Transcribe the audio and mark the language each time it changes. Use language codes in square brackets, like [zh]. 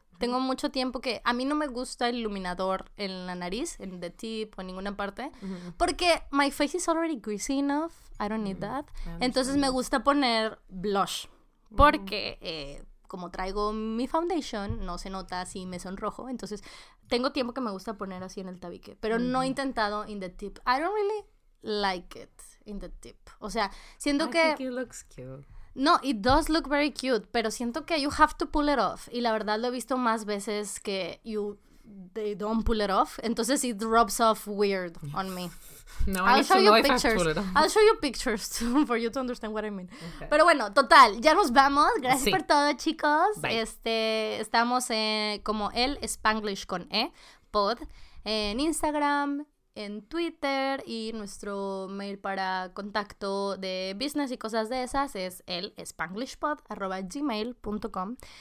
[es] Tengo mucho tiempo que a mí no me gusta el iluminador en la nariz, en [en] the tip [es] o en ninguna parte, uh-huh, porque [en] my face is already greasy enough, I don't need that. [es] Entonces me gusta poner blush, porque como traigo mi foundation, no se nota si me sonrojo, entonces tengo tiempo que me gusta poner así en el tabique, pero no he intentado [en] in the tip. I don't really like it in the tip. [es] O sea, siento [en] I [es] que... [en] I think it looks cute. No, it does look very cute, [es] pero siento que [en] you have to pull it off. [es] Y la verdad lo he visto más veces que [en] they don't pull it off. [es] Entonces [en] it rubs off weird on me. No, I'll show you pictures. I'll show you pictures too, for you to understand what I mean. Okay. [es] Pero bueno, total, ya nos vamos. Gracias por todo, chicos. [en] Bye. [es] Estamos como el Spanglish con E, pod, en Instagram, en Twitter, y nuestro mail para contacto de business y cosas de esas es elspanglishpod@gmail.com.